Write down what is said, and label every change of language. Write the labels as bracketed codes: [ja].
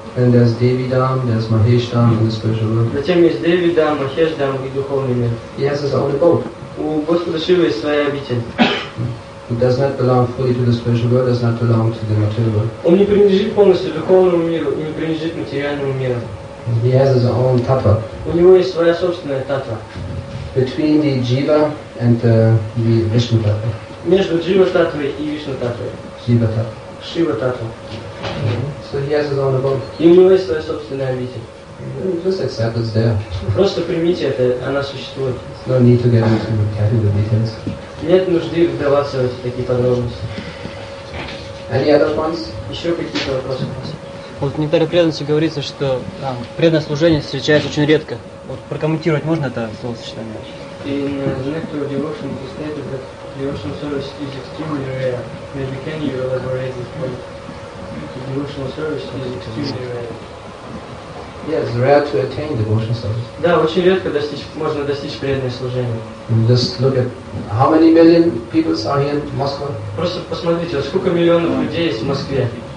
[en] And there's Devi Dham, there's Mahesh Dham, and the spiritual world. [ru] Затем есть Devi Dham, Махеш Дхам и духовный мир. [en] He has his own abode. [ru] У Господа Шивы есть своя обитель. [en] He does not belong fully to the spiritual world, does not belong to the material world. [ru] Он не принадлежит полностью духовному миру и не принадлежит материальному миру. [en] He has his own tattva. [ru] У него есть своя собственная татва. [en] Between the jiva and the Vishnu tattva. [ru] Между jiva tattvой и Vishnu tattvой. [en] Jiva tattva. Shiva tattva. So he has his own abode. [ru] И у него есть своя собственная обитель. [en] Just accept it's there. [ru] Просто примите это, она существует. [en] No need to get into technical details. [ru] Нет нужды вдаваться в эти такие подробности. [en] Any other points? [ru] Еще какие-то вопросы у вас? Вот в некоторых преданностях говорится, что там преданное служение встречается очень редко. Вот прокомментировать можно это словосочетание? [en] In [ru] некоторых [en] devotional state that devotional service is extremely rare. Maybe can you elaborate this point? The devotional service is extremely rare. Yes, rare to attain devotional service. [ru] Да, очень редко можно достичь преданного служения. [en] Just look at how many million people are here in Moscow. [ru] Просто посмотрите, сколько миллионов людей есть в Москве.